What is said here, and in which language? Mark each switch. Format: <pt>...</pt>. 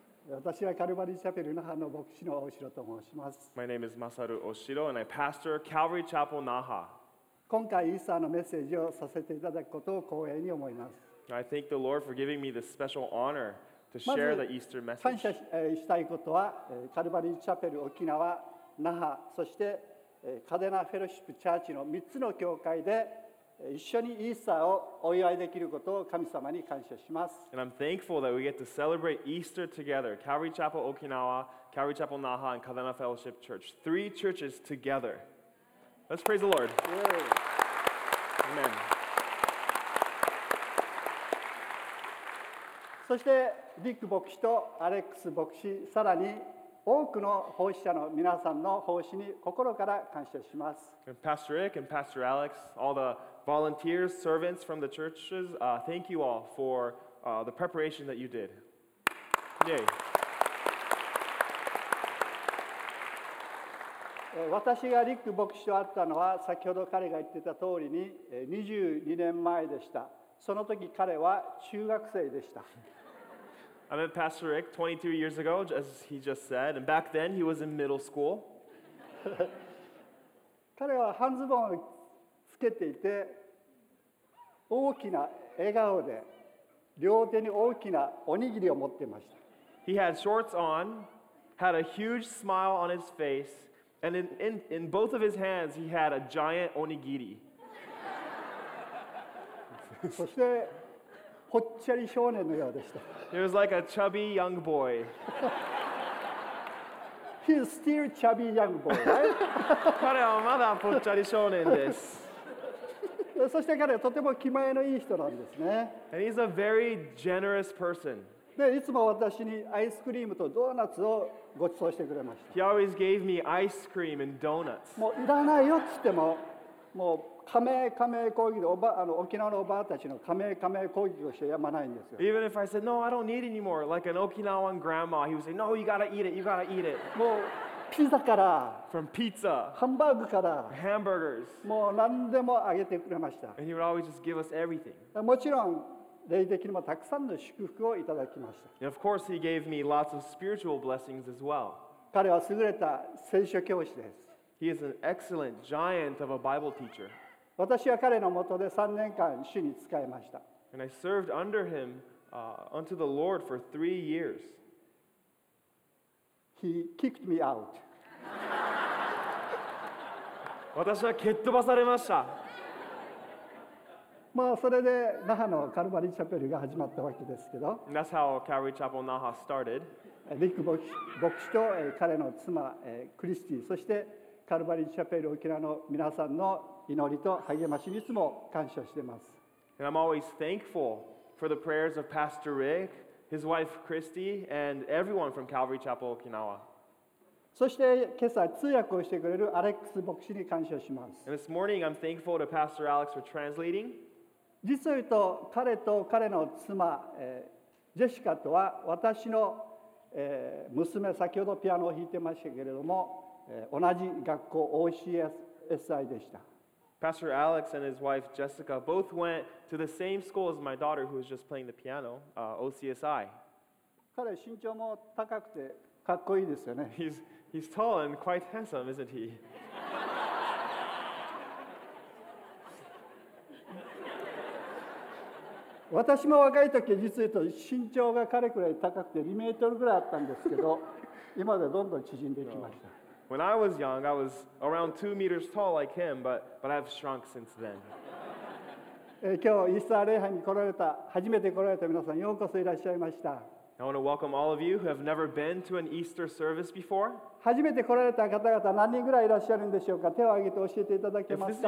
<ja>私はカルバリーチャペル那覇の牧師の大城と申します。</ja> <en>My name is Masaru Oshiro and I pastor Calvary Chapel Naha.</en> <ja>今回イースターのメッセージをさせていただくことを光栄に思います。</ja> <en>I thank the Lord for giving me this special honor to share the Easter message.</en> <ja>感謝したいことはカルバリーチャペル沖縄、那覇、そしてカデナフェロシップチャーチの3つの教会で一緒にイースターをお祝いできることを神様に感謝します。</ja> <en>And I'm thankful that we get to celebrate Easter together. Calvary Chapel Okinawa, Calvary Chapel Naha, and Kadena Fellowship Church. Three churches together. Let's praise the Lord. Amen.</en> <ja>そしてリック牧師とアレックス牧師、さらに多くの奉仕者の皆さんの奉仕に心から感謝します。</ja> <en>And Pastor Rick and Pastor Alex, all theVolunteers, servants from the churches, thank you all for the preparation that you did. Yay.</en> <ja>私がリック牧師と会ったのは先ほど彼が言ってた通りに22年前でした。その時彼は中学生でした。</ja> <en>I met Pastor Rick 22 years ago, as he just said, and back then he was in middle school.</en> <ja>彼は半ズボンをつけていて大きな笑顔で両手に大きなおにぎりを持っていました。</ja> <en>He had shorts on, had a huge smile on his face, and in both of his hands he had a giant onigiri.</en> <ja>そしてぽっちゃり少年のようでした。</ja> <en>He was like a chubby young boy. He is still chubby young boy, right?</en> <ja>彼はまだぽっちゃり少年です。そして彼はとても気前のいい人なんですね。</ja> <en>And he's a very generous person.</en> <ja>でいつも私にアイスクリームとドーナツをごちそうしてくれました。</ja> <en>He always gave me ice cream and donuts.</en> <ja>もういらないよっつっても、もう加盟攻撃で沖縄のおばあたちの加盟攻撃をしてやまないんですよ。</ja> <en>Even if I said, no, I don't need anymore, like an Okinawan grandma, he would say, no, you gotta eat it, you gotta eat it.</en> <ja>もうピザから、</ja> <en>from pizza,</en> <ja>ハンバーグから、</ja> <en>hamburgers,</en> <ja>もう何でもあげてくれました。</ja> <en>And he would always just give us everything.</en> <ja>もちろん霊的にもたくさんの祝福をいただきました。</ja> <en>And of course, he gave me lots of spiritual blessings as well.</en> <ja>彼は優れた聖書教師です。</ja> <en>He is an excellent giant of a Bible teacher.</en> <ja>私は彼の下で3年間主に仕えました。</ja> <en>And I served under him, unto the Lord for 3 years. He kicked me out.</en> <ja>私は蹴っ飛ばされました。まあそれで那覇のカルバリーチャペルが始まったわけですけど。</ja> <en>And that's how Calvary Chapel Naha started.</en> <ja>リック牧師と彼の妻クリスティ、そしてカルバリーチャペル沖縄の皆さんの祈りと励ましにいつも感謝しています。</ja> <en>And I'm always thankful for the prayers of Pastor Rick. His wife Christy and everyone from Calvary Chapel Okinawa.</en> <ja>そして今朝通訳をしてくれるアレックス牧師に感謝します。</ja> <en>And this morning I'm thankful to Pastor Alex for translating.</en> <ja>実を言うと彼と彼の妻、ジェシカとは私の、娘、先ほどピアノを弾いてましたけれども、同じ学校 OCSI でした。</ja> <en>Pastor Alex and his wife Jessica both went to the same school as my daughter who was just playing the piano, OCSI.</en> <ja>彼身長も高くてかっこいいですよね。</ja> <en>He's tall and quite handsome, isn't he?</en> <ja>私も若い時実は身長が彼くらい高くて2メートルぐらいあったんですけど、今ではどんどん縮んでいきました。</ja> <en>When I was young, I was around 2 meters tall like him, but I've shrunk since then.</en> <ja>今日イースター礼拝に来られた、初めて来られた皆さん、ようこそいらっしゃいました。</ja> <en>I want to welcome all of you who have never been to an Easter service before.</en> <ja>初めて来られた方々、何人ぐらいいらっしゃるんでしょうか。手を挙げて教えていただけますか。</ja>